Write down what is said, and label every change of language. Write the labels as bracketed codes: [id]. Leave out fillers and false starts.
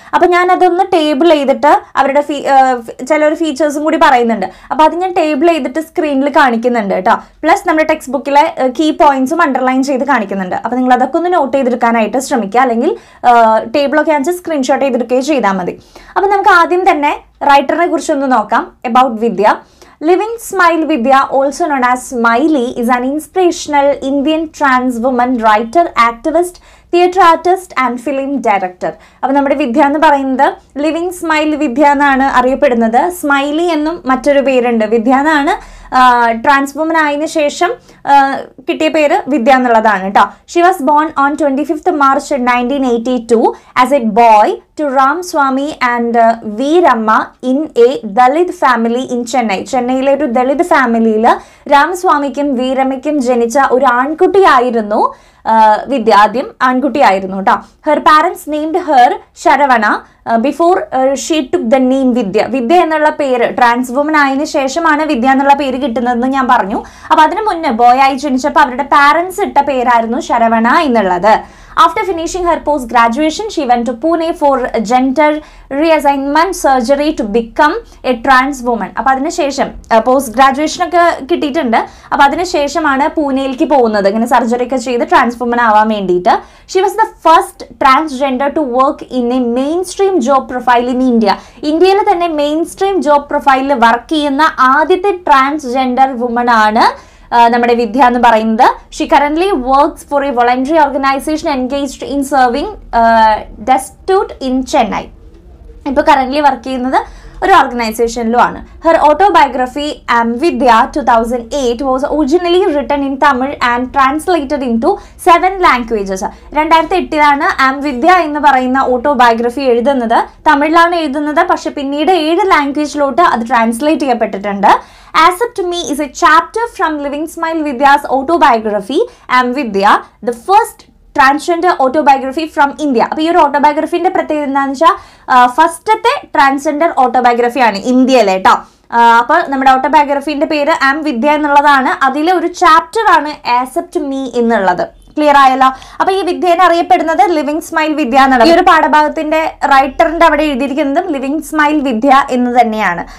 [ml] അപ്പം ഞാനതൊന്ന് ടേബിൾ ചെയ്തിട്ട് അവരുടെ ചില ഒരു ഫീച്ചേഴ്സും കൂടി പറയുന്നുണ്ട്. അപ്പോൾ അത് ഞാൻ ടേബിൾ ചെയ്തിട്ട് സ്ക്രീനിൽ കാണിക്കുന്നുണ്ട് കേട്ടോ. പ്ലസ് നമ്മുടെ ടെക്സ്റ്റ് ബുക്കിലെ കീ പോയിൻസും അണ്ടർലൈൻ ചെയ്ത് കാണിക്കുന്നുണ്ട്. അപ്പോൾ നിങ്ങൾ അതൊക്കെ ഒന്ന് നോട്ട് ചെയ്തെടുക്കാനായിട്ട് ശ്രമിക്കുക, അല്ലെങ്കിൽ ടേബിളൊക്കെ ആണെന്ന് വെച്ചാൽ സ്ക്രീൻഷോട്ട് ചെയ്തെടുക്കുകയും ചെയ്താൽ മതി. അപ്പം നമുക്ക് ആദ്യം തന്നെ റൈറ്ററിനെ കുറിച്ചൊന്ന് നോക്കാം. [en] About Vidya. Living Smile Vidya, also known as Smiley, is an inspirational Indian trans woman, writer, activist, theatre artist and film director. [ml] അപ്പോൾ നമ്മുടെ വിദ്യ എന്ന് പറയുന്നത് ലിവിങ് സ്മൈൽ വിദ്യ എന്നാണ് അറിയപ്പെടുന്നത്. സ്മൈലി എന്നും മറ്റൊരു പേരുണ്ട്. വിദ്യ എന്നാണ് ട്രാൻസ്ഫോമൻ ആയതിന് ശേഷം കിട്ടിയ പേര് വിദ്യ എന്നുള്ളതാണ് കേട്ടോ. [en] She was born on 25th March 1982 as a boy to Ramaswamy and Veeramma in a Dalit family in Chennai. [ml] ചെന്നൈയിലെ ഒരു ദളിത് ഫാമിലിയിൽ രാംസ്വാമിക്കും വി രമയ്ക്കും ജനിച്ച ഒരു ആൺകുട്ടിയായിരുന്നു വിദ്യ. ആദ്യം ആൺകുട്ടിയായിരുന്നു കേട്ടോ. [en] Her parents named her Saravana before she took the name Vidya. [ml] വിദ്യ എന്നുള്ള പേര് ട്രാൻസ് വുമൻ ആയതിന് ശേഷമാണ് വിദ്യ എന്നുള്ള പേര് കിട്ടുന്നതെന്ന് ഞാൻ പറഞ്ഞു. അപ്പോൾ അതിന് മുന്നേ ബോയായി ജനിച്ചപ്പോൾ അവരുടെ പാരൻസ് ഇട്ട പേരായിരുന്നു ശരവണ എന്നുള്ളത്. [en] After finishing her post-graduation, she went to Pune for gender reassignment surgery to become a trans woman. [ml] അപ്പോൾ അതിനുശേഷം post-graduation ഒക്കെ കിട്ടിയിട്ടുണ്ട്. അപ്പോൾ അതിനുശേഷമാണ് പൂനെയിലേക്ക് പോകുന്നത്, ഇങ്ങനെ സർജറി ഒക്കെ ചെയ്ത് ട്രാൻസ് വുമൻ ആവാൻ വേണ്ടിയിട്ട്. [en] She was the first transgender to work in a mainstream job profile in India. [ml] ഇന്ത്യയിൽ തന്നെ മെയിൻ സ്ട്രീം ജോബ് പ്രൊഫൈലിൽ വർക്ക് ചെയ്യുന്ന ആദ്യത്തെ ട്രാൻസ്ജെൻഡർ വുമൺ ആണ് നമ്മുടെ വിദ്യ എന്ന് പറയുന്നത്. [en] She currently works for a voluntary organisation engaged in serving destitute in Chennai. [ml] ഇപ്പോൾ കറന്റ്ലി വർക്ക് ചെയ്യുന്നത് ഒരു ഓർഗനൈസേഷനിലുമാണ്. [en] Her autobiography am Vidya 2008 was originally written in Tamil and translated into 7 languages. [ml] 2008 ആം വിദ്യ എന്ന് പറയുന്ന ഓട്ടോബയോഗ്രഫി എഴുതുന്നത് തമിഴിലാണ് എഴുതുന്നത്. പക്ഷെ പിന്നീട് 7 languages അത് ട്രാൻസ്ലേറ്റ് ചെയ്യപ്പെട്ടിട്ടുണ്ട്. [en] Accept Me is a chapter from Living Smile Vidya's autobiography, Am Vidya, the first transgender autobiography from India. [ml] അപ്പോൾ ഈ ഒരു ഓട്ടോബയോഗ്രഫീൻ്റെ പ്രത്യേകത എന്താണെന്ന് വെച്ചാൽ ഫസ്റ്റത്തെ ട്രാൻസ്ജെൻഡർ ഓട്ടോബയോഗ്രഫിയാണ് ഇന്ത്യയിലെ കേട്ടോ. അപ്പോൾ നമ്മുടെ ഓട്ടോബയോഗ്രഫീൻ്റെ പേര് ആം വിദ്യ എന്നുള്ളതാണ്. അതിലെ ഒരു ചാപ്റ്ററാണ് ആക്സെപ്റ്റ് മീ എന്നുള്ളത്. ക്ലിയർ ആയല്ലോ. അപ്പോൾ ഈ വിദ്യേനെ അറിയപ്പെടുന്നത് ലിവിങ് സ്മൈൽ വിദ്യ എന്നുള്ളത്. ഈ ഒരു പാഠഭാഗത്തിൻ്റെ റൈറ്ററിൻ്റെ അവിടെ എഴുതിയിരിക്കുന്നതും ലിവിങ് സ്മൈൽ വിദ്യ എന്ന് തന്നെയാണ്.